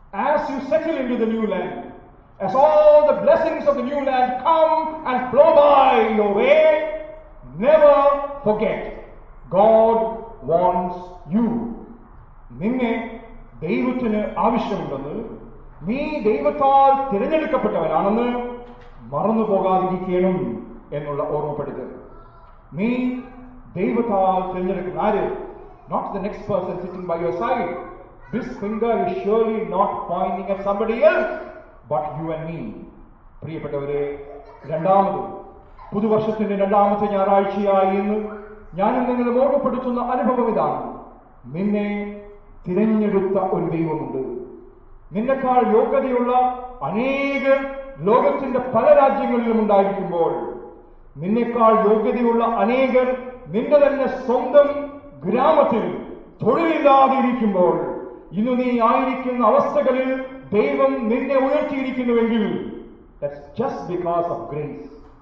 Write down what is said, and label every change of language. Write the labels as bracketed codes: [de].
[en] as you settle into the new land, as all the blessings of the new land come and flow by your way, never forget, God wants you. [ml] നിന്നെ ദൈവത്തിന് ആവശ്യമുണ്ടെന്ന്, നീ ദൈവത്താൽ തിരഞ്ഞെടുക്കപ്പെട്ടവനാണെന്ന് മറന്നുപോകാതിരിക്കണം എന്നുള്ള ഓർമ്മപ്പെടുത്തൽ. നീ ദൈവത്താൽ തിരഞ്ഞെടുക്കുന്ന ആര്? [en] Not the next person sitting by your side. This finger is surely not pointing at somebody else, but you and me. [ml] പ്രിയപ്പെട്ടവരെ, രണ്ടാമത് പുതുവർഷത്തിന്റെ രണ്ടാമത്തെ ഞായറാഴ്ചയായി ഇന്ന് ഞാൻ നിങ്ങളെ ഓർമ്മപ്പെടുത്തുന്ന അനുഭവം ഇതാണ്: നിന്നെ തിരഞ്ഞെടുത്ത ഒരു ദൈവമുണ്ട്. നിന്നെക്കാൾ യോഗ്യതയുള്ള അനേക ലോകത്തിന്റെ പല രാജ്യങ്ങളിലും ഉണ്ടായിരിക്കുമ്പോൾ, നിന്നെക്കാൾ യോഗ്യതയുള്ള അനേകർ നിന്റെ തന്നെ സ്വന്തം ഗ്രാമത്തിൽ തൊഴിലില്ലാതിരിക്കുമ്പോൾ, ഇന്ന് നീ ആയിരിക്കുന്ന അവസ്ഥകളിൽ ദൈവം നിന്നെ ഉയർത്തിയിരിക്കുന്നുവെങ്കിൽ, [en] That's just because of grace.